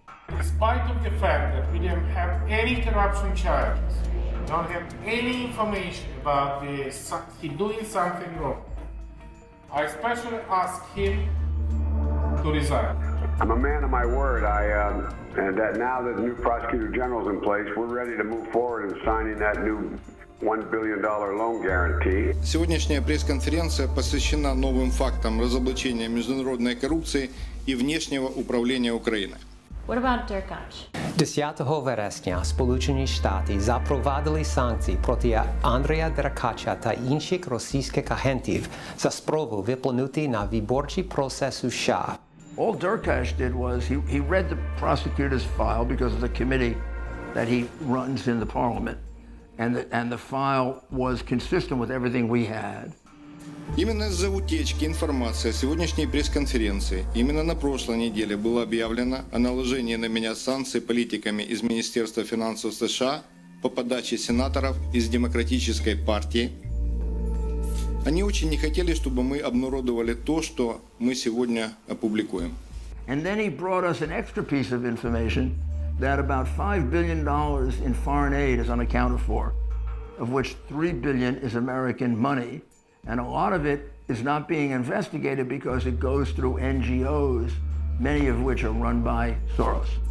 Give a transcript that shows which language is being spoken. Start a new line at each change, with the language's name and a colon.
English: In spite of the fact that we didn't have any corruption charges, don't have any information about he doing something wrong, I especially ask him to resign. I'm a man of my word. And that now that the new prosecutor general's in place, we're ready to move forward in signing that new $1 billion loan guarantee.
Russian: Сегодняшняя пресс-конференция посвящена новым фактам разоблачения международной коррупции и внешнего управления Украины.
English: What about Derkach?
Ukrainian: 10. Вересня Сполучені Штати запровадили санкції проти Андрія Деркача та інших російських агентів за спробу виплинути на виборчий процес у США.
English: All Derkach did was he read the prosecutor's file because of the committee that he runs in the parliament. And the file was consistent with everything we had.
Russian: Именно из-за утечки информации о сегодняшней пресс-конференции именно на прошлой неделе было объявлено о наложении на меня санкций политиками из Министерства финансов США по подаче сенаторов из Демократической партии. Они очень не хотели, чтобы мы обнародовали то, что мы сегодня опубликуем.
English: And then he brought us an extra piece of information that about $5 billion in foreign aid is unaccounted for, of which $3 billion is American money. And a lot of it is not being investigated because it goes through NGOs, many of which are run by Soros.